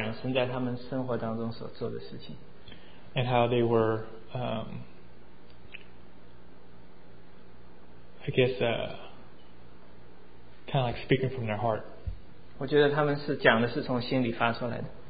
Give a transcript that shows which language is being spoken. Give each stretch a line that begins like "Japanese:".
Chinese: 我就看见人上台来讲神在他们生活当中所做的事情。
English: And how they were I guess kind of like speaking from their heart.
Chinese: 我觉得他们是讲的是从心里发出来的。